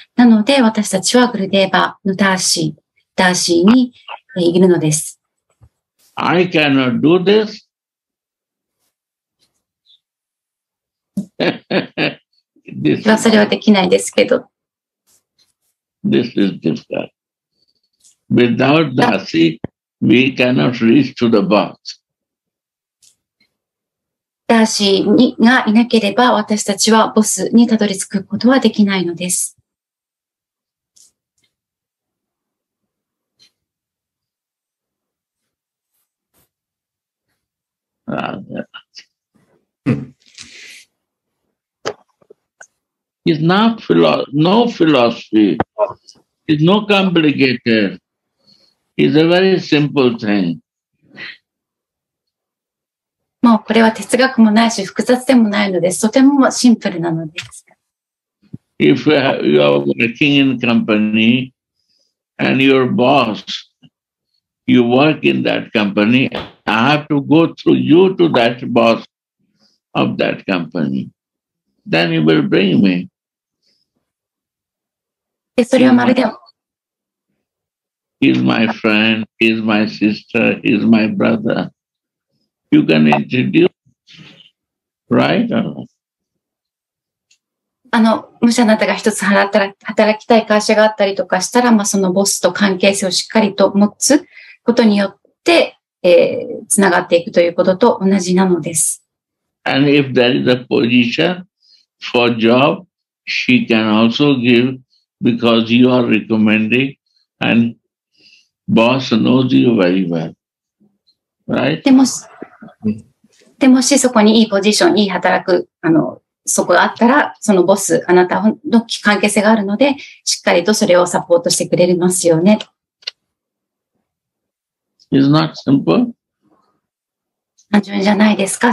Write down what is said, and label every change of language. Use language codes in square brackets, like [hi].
[ja] なので、私たちはグルデーバーのダーシーにいるのです。 [en] I cannot do this. This is... [ja] それはできないですけど。 [en] This is difficult. Without Dasi, we cannot reach to the boss. [ja] Dasi がいなければ私たちはボスにたどり着くことはできないのです。 [en] It's not no philosophy. It's no complicated. It's a very simple thing. [ja] もうこれは哲学もないし複雑でもないのです。とてもシンプルなのです。 [en] If you are working in company and your boss, you work in that company, I have to go through you to that boss of that company. Then you will bring me. [ja] でそれはまるで。 [en] He's my friend, he's my sister, he's my brother. You can introduce, right? [ja] もしあなたが一つ働きたい会社があったりとかしたら、まあ、そのボスと関係性をしっかりと持つことによって、つながっていくということと同じなのです。 [en] And if there is a position for job, she can also give because you are recommending andBoss knows you very well, right? [ja] でもしそこにいいポジションに働くそこがあったらそのボスあなたの関係性があるのでしっかりとそれをサポートしてくれますよね。 [en] Is not simple? [ja] 単純じゃないですか？